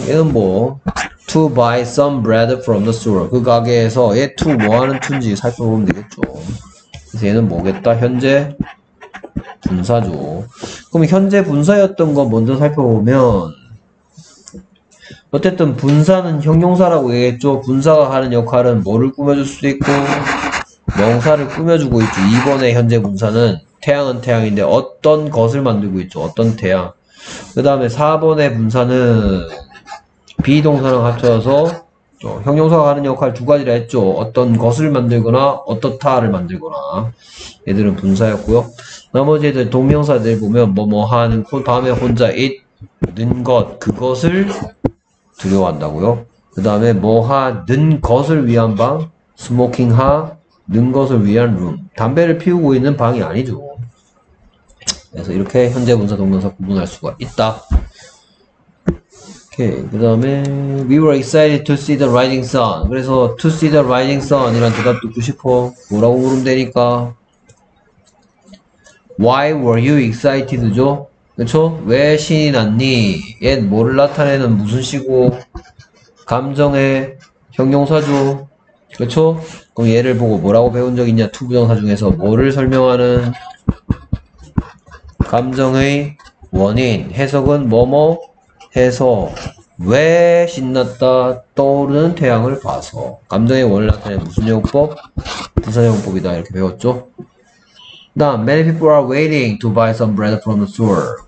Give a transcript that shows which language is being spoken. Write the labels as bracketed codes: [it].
[ko] 얘는 뭐 [en] to buy some bread from the store. [ko] 그 가게에서 얘 to 뭐 하는 툰지 살펴보면 되겠죠. 그래서 얘는 뭐겠다? 현재 분사죠. 그럼 현재 분사였던 거 먼저 살펴보면 어쨌든 분사는 형용사라고 얘기했죠. 분사가 하는 역할은 뭐를 꾸며줄 수도 있고 명사를 꾸며주고 있죠. 이번에 현재 분사는 태양은 태양인데 어떤 것을 만들고 있죠? 어떤 태양. 그 다음에 4번의 분사는 비동사랑 합쳐서 형용사가 하는 역할 두 가지라 했죠. 어떤 것을 만들거나 어떻다를 만들거나. 얘들은 분사였고요. 나머지 애들 동명사들 보면 뭐뭐 하는 밤에 혼자 있는 것 그것을 두려워한다고요. 그 다음에 뭐 하는 것을 위한 방 스모킹 하는 것을 위한 룸 담배를 피우고 있는 방이 아니죠. 그래서 이렇게 현재 분사 동명사 구분할 수가 있다. 오케이. 그 다음에 [en] We were excited to see the rising sun. [ko] 그래서 [en] to see the rising sun [ko] 이란 대답 듣고 싶어. 뭐라고 물으면 되니까 [en] Why were you excited [ko] 죠? 그쵸? 왜 신이 났니? 얘 뭐를 나타내는 무슨 시고 감정의 형용사죠. 그쵸? 그럼 얘를 보고 뭐라고 배운 적 있냐? 투 부정사 중에서 뭐를 설명하는 감정의 원인 해석은 뭐뭐 해서 왜 신났다 떠오르는 태양을 봐서 감정의 원을 나타내는 무슨 용법? 부사용법이다 이렇게 배웠죠? [en] Now, many people are waiting to buy some bread from the store.